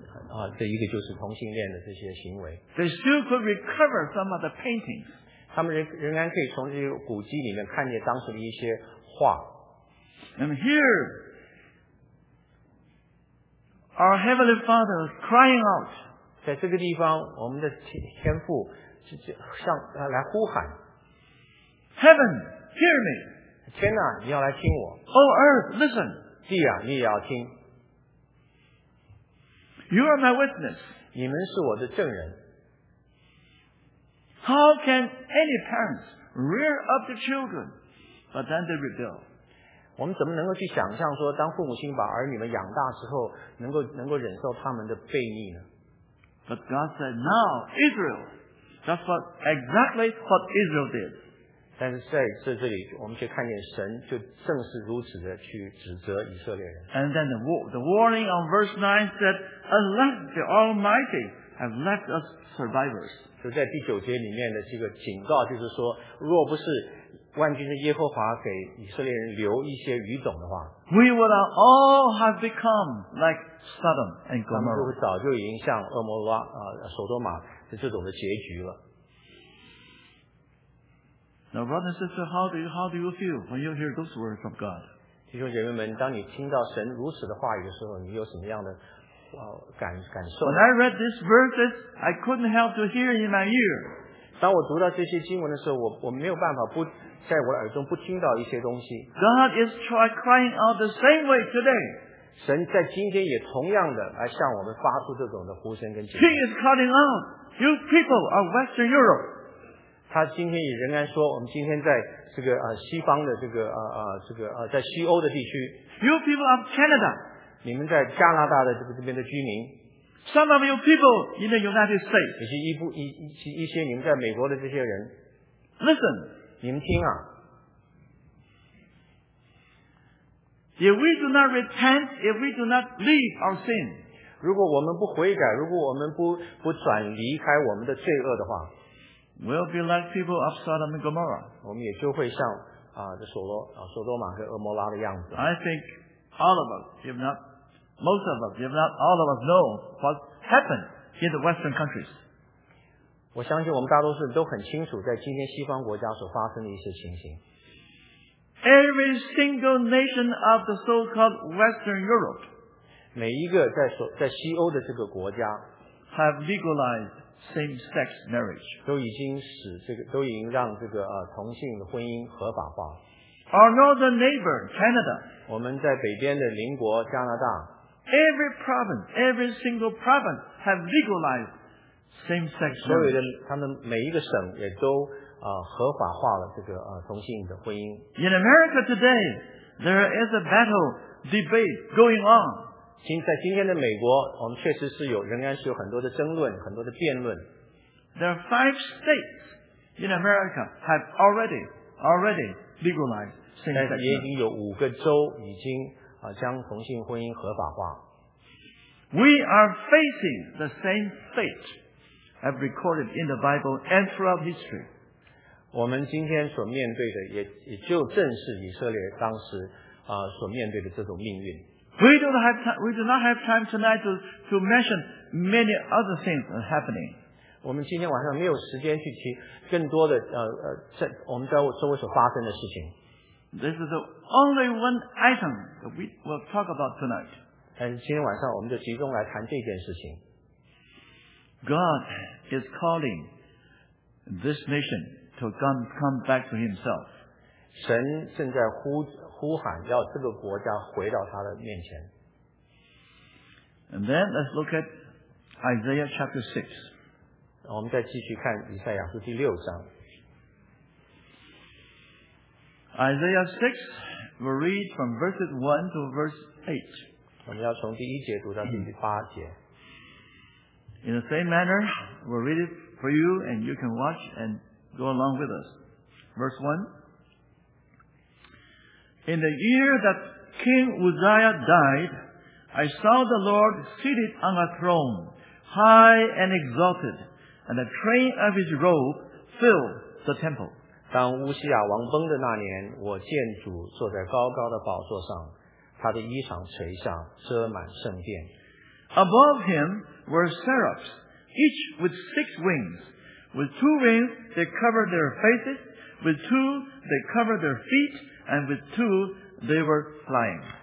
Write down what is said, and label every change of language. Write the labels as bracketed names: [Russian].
[Chinese] 而在这些败坏的道德中间，一个就是同性恋的这些行为。 [English] They still could recover some of the paintings. [Chinese] 他们仍然可以从这些古迹里面看见当时的一些画。 [English] And here, our Heavenly Father is crying out. [Chinese] 在这个地方，我们的天父来呼喊。 [English] Heaven, hear me. [Chinese] 天哪，你要来听我。 [English] Oh Earth, listen. [Chinese] 地啊，你也要听。 [English] You are my witness. [Chinese] 你们是我的证人。 [English] How can any parents rear up the children, but then they rebel? [Chinese] 我们怎么能够去想象说当父母亲把儿女们养大之后能够忍受他们的悖逆呢？ [English] But God said, now, Israel, that's what, exactly what Israel did. [Chinese] 但是在这里我们却看见神就正是如此的去指责以色列人。 [English] And then the warning on verse 9 said, unless the Almighty have left us survivors. [Chinese] 就在第九节里面的这个警告就是说若不是万军的耶和华给以色列人留一些余种的话 [English] We would all have become like Sodom and Gomorrah. [Chinese] 他们就会早就已经像俄摩拉、索多玛的这种的结局了。 [English] Now, brother and sister, how do you feel when you hear those words from God? [Chinese] 弟兄姐妹们，当你听到神如此的话语的时候，你有什么样的、感受？ [English] When I read these verses, I couldn't help to hear in my ear. [Chinese] 当我读到这些经文的时候 我没有办法不在我耳中不听到一些东西 [English] God is crying out the same way today [Chinese] 神在今天也同样的来向我们发出这种的呼声跟警告 [English] He is calling out You people of Western Europe [Chinese] 他今天也仍然说我们今天在这个、西方的这个、在西欧的地区 [English] You people of Canada [Chinese] 你们在加拿大的这个这边的居民 [English] Some of you people in the United States. [Chinese] 以及一些你们在美国的这些人。 [English] Listen. [Chinese] 你们听啊。 [English] If we do not repent, if we do not leave our sin. [Chinese] 如果我们不悔改，如果我们不转离开我们的罪恶的话。 [English] We'll be like people of Sodom and Gomorrah. [Chinese] 我们也就会像、索多玛和俄摩拉的样子。 [English] I think all of us, if not Most of us, if not all of us, know what happened in the Western countries. [Chinese] 我相信我们大多数人都很清楚在今天西方国家所发生的一些情形。 [English] Every single nation of the so-called Western Europe [Chinese] 每一个 在西欧的这个国家 [English] have legalized same-sex marriage. [Chinese] 都已经让这个、同性婚姻合法化。 [English] Our northern neighbor, Canada, [Chinese] 我们在北边的邻国加拿大 [English] Every province, every single province have legalized same-sex marriage. [Chinese] 所以他们每一个省也都、合法化了这个、同性的婚姻。 [English] In America today, there is a battle debate going on. [Chinese] 在今天的美国，我们确实是有，仍然是有很多的争论，很多的辩论。 [English] There are 5 states in America have already legalized same-sex marriage. [Chinese] 但也已经有五个州已经将同性婚姻合法化。 [English] We are facing the same fate as recorded in the Bible and throughout history. [Chinese] 我们今天所面对的 也就正是以色列当时、所面对的这种命运。 [English] We do not have time tonight to mention many other things happening. [Chinese] 我们今天晚上没有时间去提更多的、我们在周围所发生的事情。 [English] This is the only one item that we will talk about tonight. [Chinese] 但今天晚上我们就集中来谈这件事情。 [English] God is calling this nation to come back to himself. [Chinese] 神正在 呼喊要这个国家回到他的面前。 [English] And then let's look at Isaiah chapter 6. [Chinese] 我们再继续看以赛亚书第六章。 [English] Isaiah 6, we'll read from verses 1 to verse 8. [Chinese] 我们要从第一节读到第八节。 [English] In the same manner, we'll read it for you, and you can watch and go along with us. Verse 1. In the year that King Uzziah died, I saw the Lord seated on a throne, high and exalted, and the train of his robe filled the temple. [Chinese] 当乌西亚王崩的那年，我见主坐在高高的宝座上，他的衣裳垂下，遮满圣殿。 [English] Above him were seraphs, each with 6 wings. With 2 wings they covered their faces, with 2 they covered their feet, and with 2 they were flying.